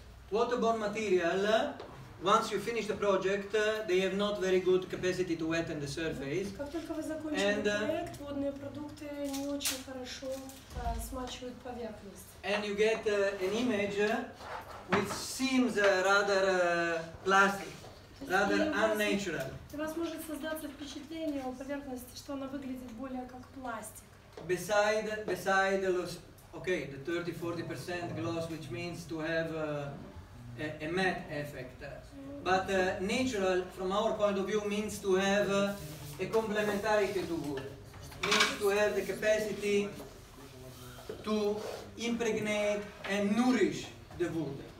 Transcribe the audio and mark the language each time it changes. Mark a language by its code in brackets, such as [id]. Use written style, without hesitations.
[en] Waterborne material, once you finish the project, they have not very good capacity to wetten the surface. [ru] Как только вы закончили проект, водные продукты не очень хорошо смачивают поверхность. [en] And you get an image which seems rather plastic, rather unnatural. [ru] У вас может создаться впечатление о поверхности, что она выглядит более как пластик. [en] Beside the okay, the 30-40% gloss, which means to have a matte effect. But natural, from our point of view, means to have a complementarity to wood. Means to have the capacity to impregnate and nourish the wood.